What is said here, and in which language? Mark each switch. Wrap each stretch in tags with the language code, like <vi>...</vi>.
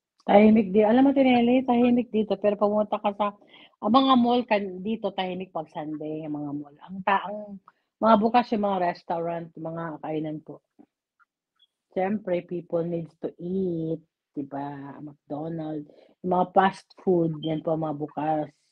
<tl>Tahimik dito. Alam mo, Tinelli, tahimik dito. Pero pumunta ka sa mga mall kan dito, tahimik pag Sunday, yung mga mall. Ang taong, mga bukas yung mga restaurant, mga kainan po. Siyempre,</tl> <en>people need to eat.</en> <tl>Diba? McDonald's. Yung mga fast food, yan po mga bukas.</tl>